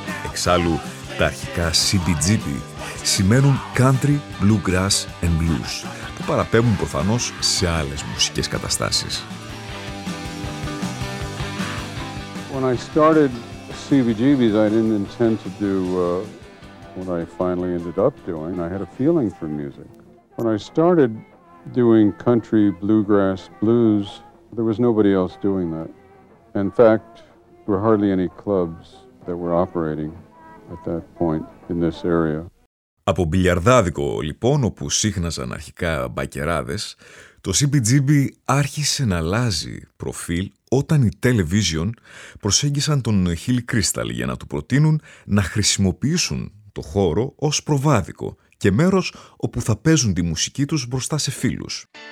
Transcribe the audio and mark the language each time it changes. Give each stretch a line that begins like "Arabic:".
Greek: Εξάλλου, τα αρχικά CBGB σημαίνουν Country, Bluegrass and Blues, που παραπέμπουν προφανώς σε άλλες μουσικές καταστάσεις.
English: When I started CBGBs, I didn't intend to do what I finally ended up doing. I had a feeling for music. When I started doing Country, Bluegrass, Blues, there was nobody else doing that. In fact, there were hardly any clubs that were operating. At that point in this area.
Greek: Από μπιλιαρδάδικο, λοιπόν, όπου σύχναζαν αρχικά μπακεράδες, το CBGB άρχισε να αλλάζει προφίλ όταν οι television προσέγγισαν τον Hill Crystal για να του προτείνουν να χρησιμοποιήσουν το χώρο ως προβάδικο και μέρος όπου θα παίζουν τη μουσική τους μπροστά σε φίλους.